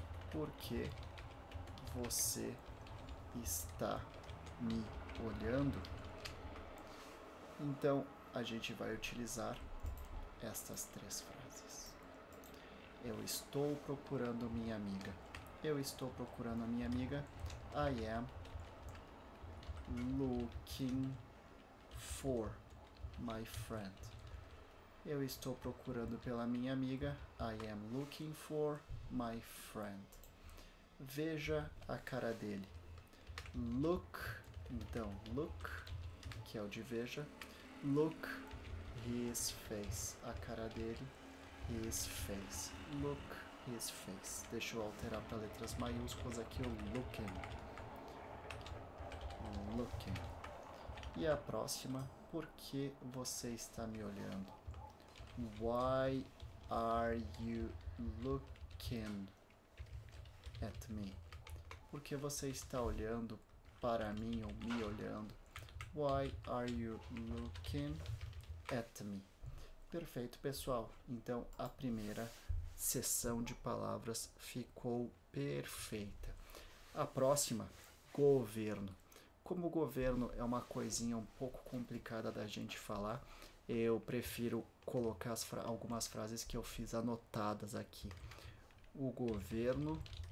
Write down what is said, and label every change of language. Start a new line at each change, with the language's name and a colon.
Portuguese: Por que você está me olhando? Então, a gente vai utilizar estas três frases. Eu estou procurando minha amiga. Eu estou procurando a minha amiga.
English: I am looking for my friend.
Portuguese: Eu estou procurando pela minha amiga.
English: I am looking for my friend.
Portuguese: Veja a cara dele. Look, então, look, que é o de veja.
English: Look his face.
Portuguese: A cara dele.
English: His face. Look his face.
Portuguese: Deixa eu alterar para letras maiúsculas aqui o looking. Looking. E a próxima, por que você está me olhando?
English: Why are you looking at me?
Portuguese: Por que você está olhando para mim ou me olhando?
English: Why are you looking at me?
Portuguese: Perfeito, pessoal. Então, a primeira sessão de palavras ficou perfeita. A próxima, governo. Como o governo é uma coisinha um pouco complicada da gente falar, eu prefiro colocar algumas frases que eu fiz anotadas aqui. O governo